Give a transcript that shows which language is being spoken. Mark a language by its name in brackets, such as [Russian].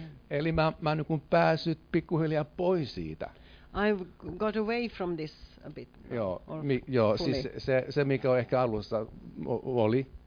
[Finnish] Eli mä nyt kun pääsyt pikkuhiljaa pois siitä. [English] I've got away from this a bit. [Finnish] Joo, siis se mikä on ehkä alussa oli.